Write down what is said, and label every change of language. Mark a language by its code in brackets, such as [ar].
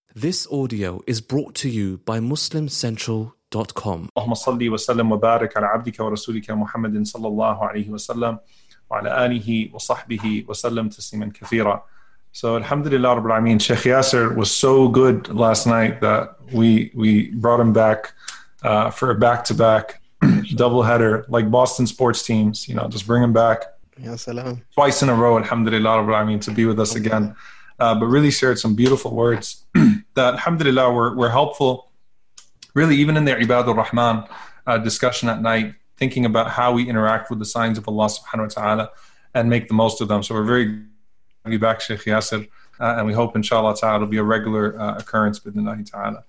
[en] This audio is brought to you by MuslimCentral.com. [ar] اللهم صل وسلم وبارك على عبدك ورسولك محمد صلى الله عليه وسلم وعلى آله وصحبه وسلم تسليما كثيرا. [en] So alhamdulillah rabbil alamin, Sheikh Yasser was so good last night that we brought him back for a back-to-back doubleheader, like Boston sports teams, you know, just bring him back. [ar] Ya salam. [en] Twice in a row, alhamdulillah rabbil alamin, to be with us again. But really shared some beautiful words that alhamdulillah were helpful, really even in the Ibad al-Rahman discussion at night, thinking about how we interact with the signs of Allah subhanahu wa ta'ala and make the most of them. So we're very glad to have you back, Sheikh Yasser, and we hope inshallah ta'ala it'll be a regular occurrence bidnillahi ta'ala.